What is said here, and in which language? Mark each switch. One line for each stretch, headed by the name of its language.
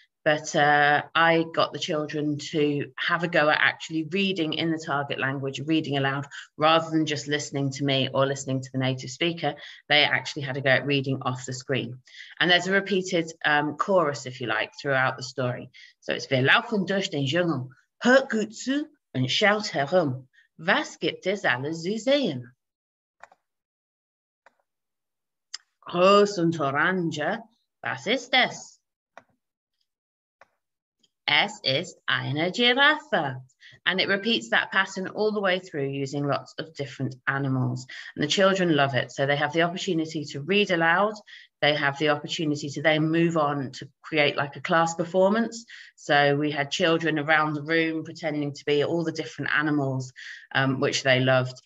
English: But I got the children to have a go at actually reading in the target language, reading aloud, rather than just listening to me or listening to the native speaker. They actually had a go at reading off the screen. And there's a repeated chorus, if you like, throughout the story. So it's
German: Wir laufen durch den Dschungel, hört gut zu und schaut herum. Was gibt es alles zu sehen? Groß und orange, was ist das? Es ist eine Giraffe.
English: And it repeats that pattern all the way through using lots of different animals. And the children love it. So they have the opportunity to read aloud. They have the opportunity to then move on to create like a class performance. So we had children around the room pretending to be all the different animals, which they loved.